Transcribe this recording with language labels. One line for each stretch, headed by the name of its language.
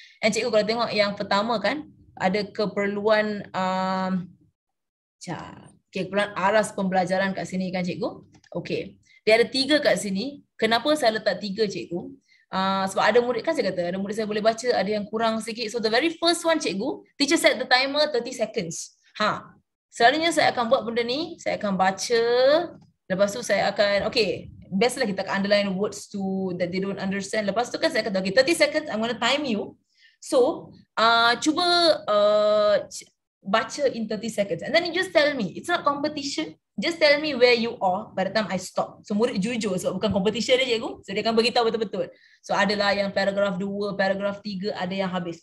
Malay: And cikgu kalau tengok yang pertama kan, ada keperluan okay, keperluan aras pembelajaran kat sini kan cikgu. Okay, dia ada tiga kat sini. Kenapa saya letak tiga cikgu? Sebab ada murid kan saya kata, ada murid saya boleh baca, ada yang kurang sikit.
English: So the very first one cikgu, teacher set the timer 30 seconds.
Malay: Ha, selalunya saya akan buat benda ni. Saya akan baca, lepas tu saya akan, okay, biasalah kita
English: underline words to that they don't understand.
Malay: Lepas tu kan saya kata,
English: okay, 30 seconds, I'm going to time you. So, cuba baca in 30 seconds. And then you just tell me, it's not competition. Just tell me where you are by the time I stop.
Malay: So, murid jujur sebab bukan competition dia cikgu. So, dia akan beritahu betul-betul. So, adalah yang paragraph 2, paragraph 3, ada yang habis.